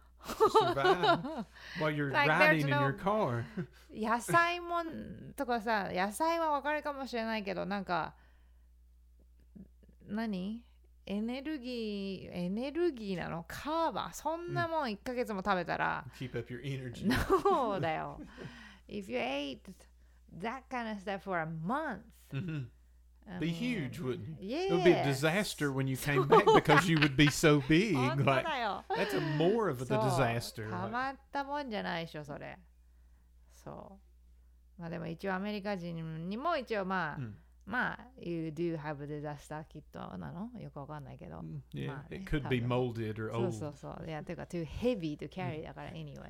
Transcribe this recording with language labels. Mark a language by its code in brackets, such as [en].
[en] While you're like riding in your car. [ja] 野菜もとかさ、野菜はわかるかもしれないけど、なんか何？エネルギーなの？カーバー？そんなもん1ヶ月も食べたら。 [en] Keep up your energy. [ja] No だよ。 [en] If you ate that kind of stuff for a month, be huge, wouldn't it? Yes. It would be a disaster when you came back because you would be so big. Like, that's a more of a disaster. [ja] たまったもんじゃないでしょ、それ。そう。まあでも一応アメリカ人にも一応 [en] you do have a disaster kit [ja] なの？よくわかんないけど。 [en] Yeah, it could be molded or old. [ja] そうそうそう。いや、てか [en] too heavy to carry [ja] だから [en] anyway.